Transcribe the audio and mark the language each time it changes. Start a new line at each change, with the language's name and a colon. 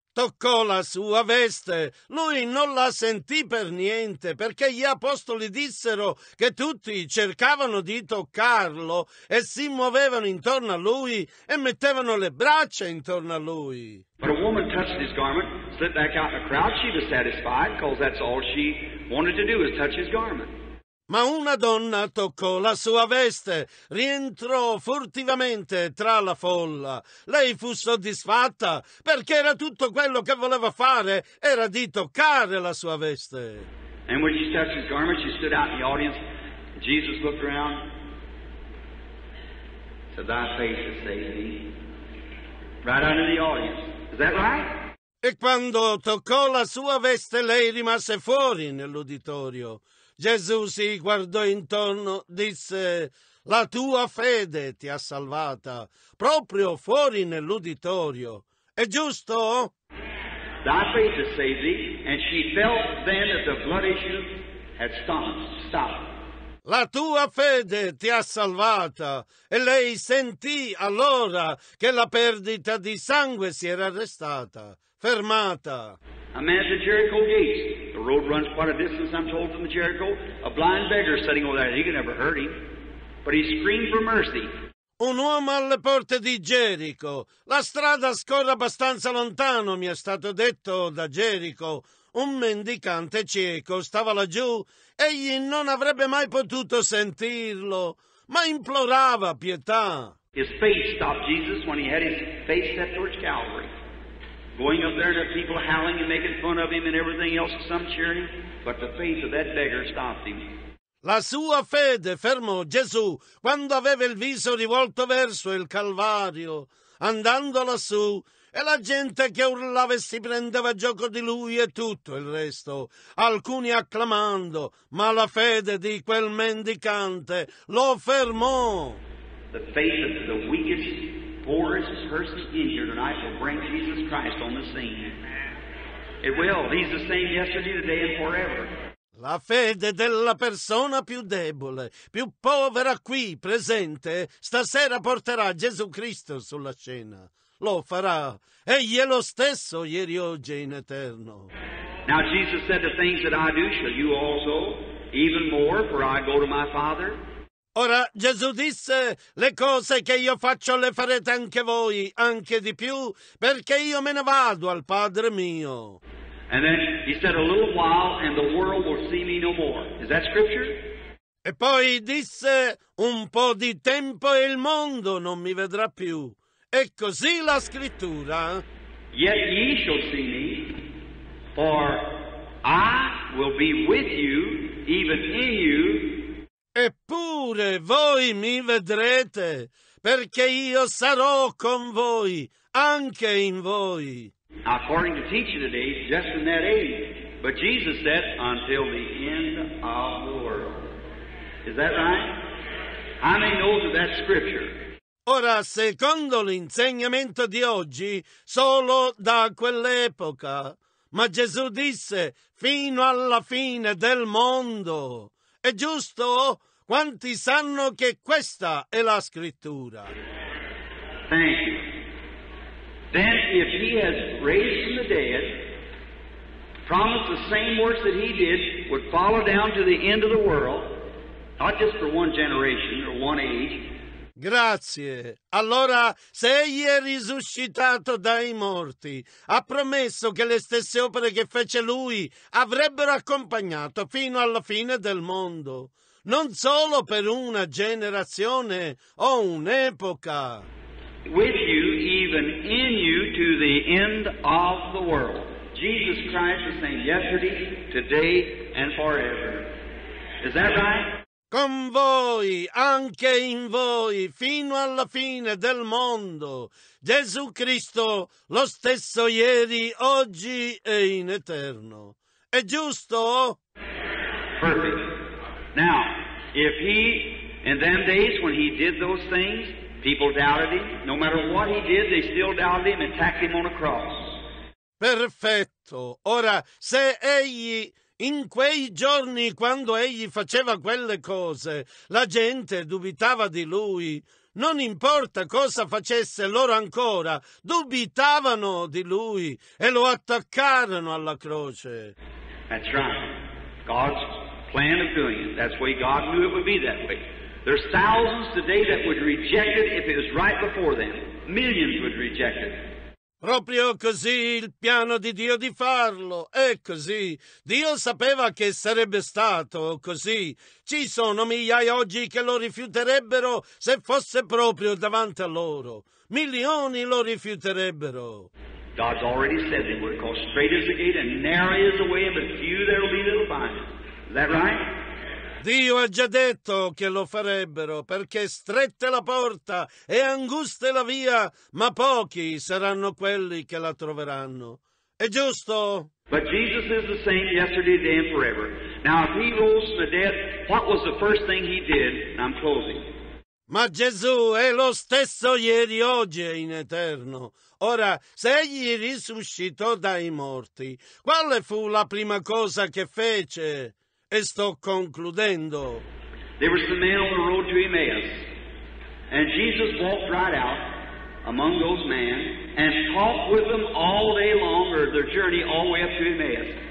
Italian: Toccò la sua veste, lui non la sentì per niente, perché gli apostoli dissero che tutti cercavano di toccarlo e si muovevano intorno a lui e mettevano le braccia intorno a lui.
English: But a woman touched his garment, slipped back out in a crowd, she was satisfied, because that's all she wanted to do is touch his garment.
Italian: Ma una donna toccò la sua veste, rientrò furtivamente tra la folla. Lei fu soddisfatta perché era tutto quello che voleva fare, era di toccare la sua veste.
English: And when she touched his garment, she stood out in the audience. Jesus looked around. Said, "Thy faith has saved thee." Right out of the audience. Is that right?
Italian: E quando toccò la sua veste, lei rimase fuori nell'uditorio. Gesù si guardò intorno, disse: "La tua fede ti ha salvata." Proprio fuori nell'uditorio. È giusto?
English: Thy faith has saved thee. And she felt then that the blood issue had stopped.
Italian: La tua fede ti ha salvata. E lei sentì allora che la perdita di sangue si era arrestata, fermata.
English: A man at the Jericho gate. The road runs quite a distance, I'm told, from the Jericho. A blind beggar sitting over there. He could never hurt him. But he screamed for mercy.
Italian: Un uomo alle porte di Gerico. La strada scorre abbastanza lontano, mi è stato detto, da Gerico. Un mendicante cieco stava laggiù. Egli non avrebbe mai potuto sentirlo, ma implorava pietà.
English: His face stopped Jesus when he had his face set towards Calvary. Going up there and the people howling and making fun of him and everything else, some cheering, but the face of that beggar stopped him.
Italian: La sua fede fermò Gesù quando aveva il viso rivolto verso il Calvario, andando lassù, e la gente che urlava e si prendeva gioco di lui e tutto il resto, alcuni acclamando, ma la fede di quel mendicante lo fermò.
English: The faith of the weakest, poorest person in here tonight will bring Jesus Christ on the scene. It will. He's the same yesterday, today and forever.
Italian: La fede della persona più debole, più povera qui presente, stasera porterà Gesù Cristo sulla scena. Lo farà. Egli è lo stesso ieri, oggi e in eterno.
English: Now Jesus said, "The things that I do shall you also, even more, for I go to my Father."
Italian: Ora Gesù disse: "Le cose che io faccio le farete anche voi, anche di più, perché io me ne vado al Padre mio."
English: And then he said, "A little while and the world will see me no more." Is that scripture?
Italian: E poi disse: "Un po' di tempo e il mondo non mi vedrà più." E così la scrittura.
English: "Yet ye shall see me, for I will be with you, even in you."
Italian: Eppure voi mi vedrete, perché io sarò con voi, anche in voi.
English: According to teaching today, just in that age. But Jesus said, "Until the end of the world." Is that right? How many know that that's scripture?
Italian: Ora, secondo l'insegnamento di oggi, solo da quell'epoca. Ma Gesù disse, fino alla fine del mondo. È giusto? Quanti sanno che questa è la scrittura?
English: Thank you. Then if he has raised from the dead, promised the same works that he did would follow down to the end of the world, not just for one generation or one age.
Italian: Grazie. Allora, se egli è risuscitato dai morti, ha promesso che le stesse opere che fece lui avrebbero accompagnato fino alla fine del mondo, non solo per una generazione o un'epoca.
English: With you, even in you, to the end of the world. Jesus Christ is saying yesterday, today and forever. Is that right?
Italian: Con voi, anche in voi, fino alla fine del mondo. Gesù Cristo, lo stesso ieri, oggi e in eterno. È giusto?
English: Perfect. Now, if he, in them days when he did those things, people doubted him. No matter what he did, they still doubted him and tacked him on a cross.
Italian: Perfetto. Ora, se egli... In quei giorni, quando egli faceva quelle cose, la gente dubitava di lui. Non importa cosa facesse, loro ancora dubitavano di lui e lo attaccarono alla croce.
English: That's right. God's plan of doing it. That's why God knew it would be that way. There's thousands today that would reject it if it was right before them. Millions would reject it.
Italian: Proprio così il piano di Dio di farlo, è così. Dio sapeva che sarebbe stato così. Ci sono migliaia oggi che lo rifiuterebbero se fosse proprio davanti a loro. Milioni lo rifiuterebbero.
English: God's already said they would, because straight is the gate and narrow is the way, and but few there will be that will find it. Is that right?
Italian: Dio ha già detto che lo farebbero, perché stretta la porta e angusta la via, ma pochi saranno quelli che la troveranno. È giusto?
English: But Jesus is the same yesterday, today, and forever. Now, if he rose from the dead, what was the first thing he did? I'm closing.
Italian: Ma Gesù è lo stesso ieri, oggi e in eterno. Ora, se egli risuscitò dai morti, quale fu la prima cosa che fece? E sto concludendo.
English: There was a man on the road to Emmaus, and Jesus walked right out among those men and talked with them all day long, or their journey all the way up to Emmaus.